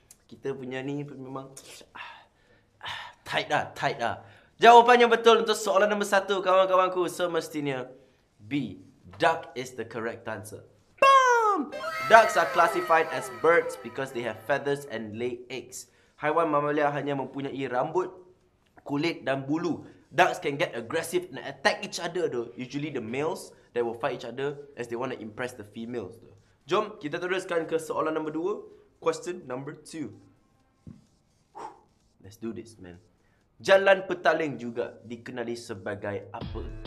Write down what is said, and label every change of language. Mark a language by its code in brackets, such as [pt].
[ms] Kita punya ni pun memang tight lah. Jawapannya betul untuk soalan nombor 1, kawan-kawanku, semestinya B, [en] duck is the correct answer. [ms] Boom! [en] Ducks are classified as birds because they have feathers and lay eggs. [ms] Haiwan mamalia hanya mempunyai rambut, kulit dan bulu. [en] Ducks can get aggressive and attack each other though. Usually the males, they will fight each other as they want to impress the females. [ms] Jom kita teruskan ke soalan nombor 2. [en] Question number 2. Let's do this, man. [ms] Jalan Petaling juga dikenali sebagai apa?